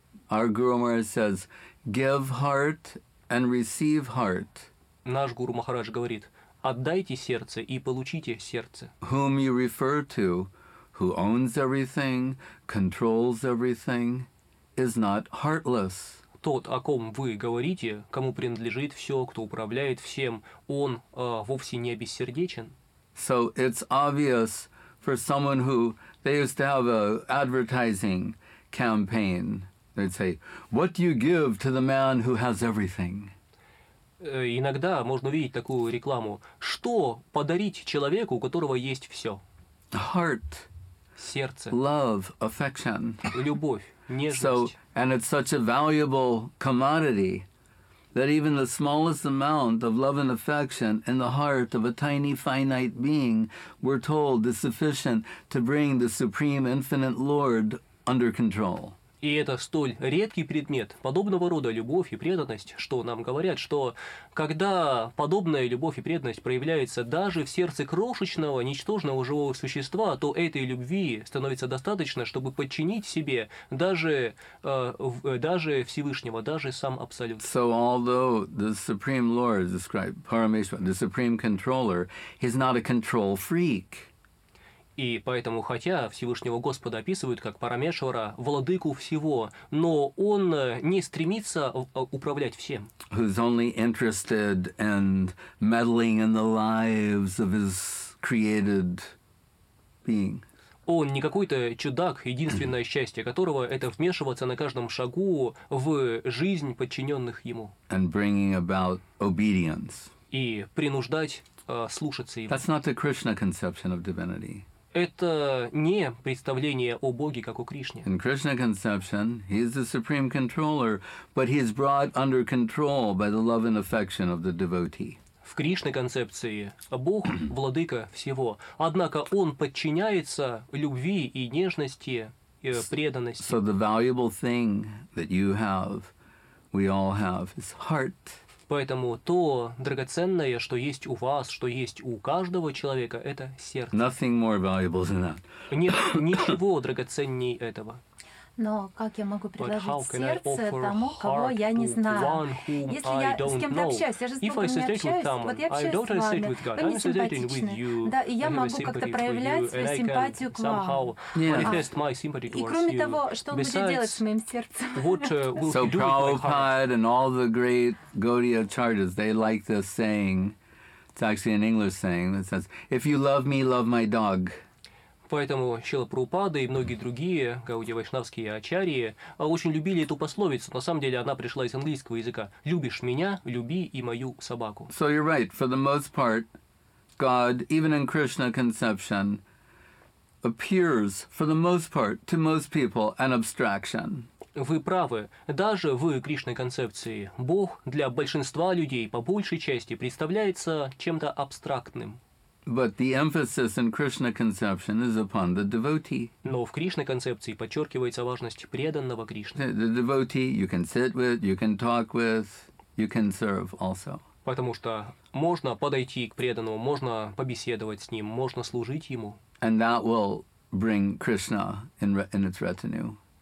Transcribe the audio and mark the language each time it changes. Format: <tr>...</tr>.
<en>Our Guru Maharaj says, give heart and receive heart.</en> <ru>наш Гуру Махарадж говорит: «Отдайте сердце и получите сердце».</ru> <en>Whom you refer to, who owns everything, controls everything, is not heartless.</en> <ru>Тот, о ком вы говорите, кому принадлежит все, кто управляет всем, он вовсе не бессердечен.</ru> <en>So it's obvious for someone who they used to have an advertising campaign. They'd say, "What do you give to the man who has everything?"</en> <ru>Иногда можно увидеть такую рекламу: что подарить человеку, у которого есть все?</ru> <en>Heart.</en> <ru>Сердце.</ru> <en>Love, affection.</en> <ru>Любовь.</ru> <en>So, and it's such a valuable commodity that even the smallest amount of love and affection in the heart of a tiny finite being, we're told, is sufficient to bring the Supreme Infinite Lord under control.</en> <ru>И это столь редкий предмет, подобного рода любовь и преданность, что нам говорят, что когда подобная любовь и преданность проявляется даже в сердце крошечного, ничтожного живого существа, то этой любви становится достаточно, чтобы подчинить себе даже Всевышнего, даже сам Абсолют.</ru> <en>So although the Supreme Lord is described, Parameshwar, the Supreme Controller, he's not a control freak.</en> <ru>И поэтому, хотя Всевышнего Господа описывают как Парамешвара, владыку всего, но он не стремится управлять всем.</ru> <en>Who's only interested in meddling in the lives of his created being.</en> <ru>Он не какой-то чудак, единственное счастье которого — это вмешиваться на каждом шагу в жизнь подчиненных ему.</ru> <en>And bringing about obedience.</en> <ru>И принуждать слушаться его.</ru> <en>That's not the Krishna conception of divinity.</en> <ru>Это не представление о Боге, как о Кришне.</ru> <en>In Krishna conception, he is the supreme controller, but he is brought under control by the love and affection of the devotee.</en> <ru>В Кришне концепции Бог владыка всего, однако он подчиняется любви и нежности, и преданности.</ru> <en>So the valuable thing that you have, we all have, is heart.</en> <ru>Поэтому то драгоценное, что есть у вас, что есть у каждого человека, это сердце.</ru> <en>Nothing more valuable than that.</en> <ru>Нет ничего драгоценней этого. Но как я могу предложить сердце тому, кого я не знаю? Если я с кем-то общаюсь, я же с Богом не общаюсь. Вот я общаюсь с вами, вы мне симпатичны. Да, и я могу как-то проявлять свою симпатию к вам. И кроме того, что он будет делать с моим сердцем?</ru> <en>So Prabhupada and all the great Gaudiya Acharyas, they like this saying. It's actually an English saying that says, "If you love me, love my dog."</en> <ru>Поэтому Шрила Прабхупада и многие другие гаудия-вайшнавские ачарьи очень любили эту пословицу. На самом деле она пришла из английского языка. «Любишь меня, люби и мою собаку».</ru> <en>So you're right. For the most part, God, even in Krishna conception, appears, for the most part, to most people, an abstraction.</en> <ru>Вы правы. Даже в Кришной концепции Бог для большинства людей по большей части представляется чем-то абстрактным.</ru> <en>But the emphasis in Krishna conception is upon the devotee.</en> <ru>Но в Кришна концепции подчеркивается важность преданного Кришне.</ru> <en>The devotee you can sit with, you can talk with, you can serve also.</en> <ru>Потому что можно подойти к преданному, можно побеседовать с ним, можно служить ему.</ru> <en>And that will bring Krishna in its retinue.</en>